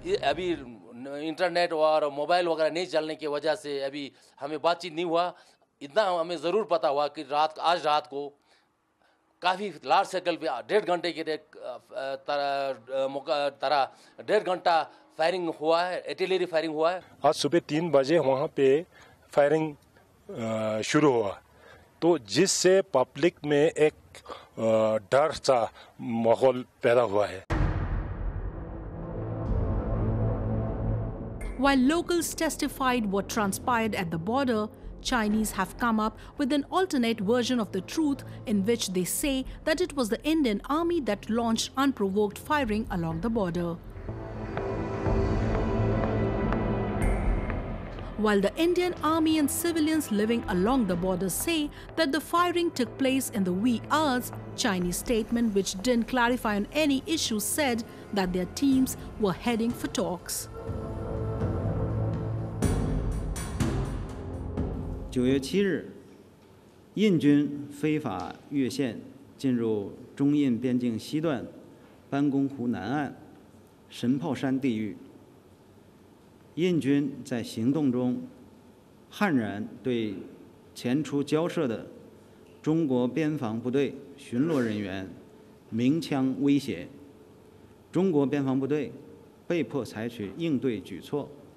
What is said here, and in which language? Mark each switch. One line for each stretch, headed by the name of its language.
Hindi: अभी इंटरनेट और मोबाइल वगैरह नहीं चलने की वजह से अभी हमें बातचीत नहीं हुआ इतना हमें ज़रूर पता हुआ कि रात आज रात को काफ़ी लार्ज सर्कल पे डेढ़ घंटे के तरह डेढ़ घंटा फायरिंग हुआ है एटिलरी फायरिंग हुआ है आज सुबह 3 बजे वहाँ पे फायरिंग शुरू हुआ तो जिससे पब्लिक में एक डर सा माहौल पैदा हुआ है
English: While locals testified what transpired at the border, Chinese have come up with an alternate version of the truth in which they say that it was the Indian Army that launched unprovoked firing along the border. While the Indian Army and civilians living along the border say that the firing took place in the wee hours, Chinese statement which didn't clarify on any issue said that their teams were heading for talks.
Chinese: 9月7日 印军非法越线进入中印边境西段班公湖南岸神炮山地域印军在行动中悍然对前出交涉的中国边防部队巡逻人员鸣枪威胁中国边防部队被迫采取应对举措